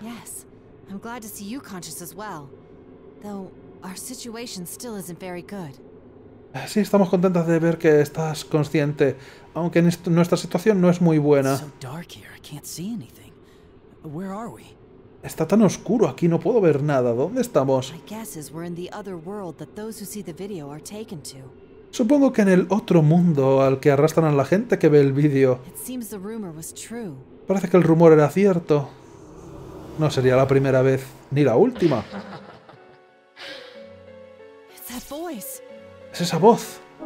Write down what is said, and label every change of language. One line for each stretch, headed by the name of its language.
English: Yes, I'm glad to see you conscious as well. Though our situation still isn't very good.
Spanish: Sí, estamos contentas de ver que estás consciente, aunque nuestra situación no es muy buena.
English: It's so dark here, I can't see anything. Where are we?
Spanish: Está tan oscuro aquí, no puedo ver nada. ¿Dónde estamos?
English: My guess is we're in the other world that those who see the video are taken to.
Spanish: Supongo que en el otro mundo al que arrastran a la gente que ve el vídeo.
English: It seems the rumor was true.
Spanish: Parece que el rumor era cierto. No sería la primera vez, ni la última.
English: It's that voice.
Spanish: Es esa voz.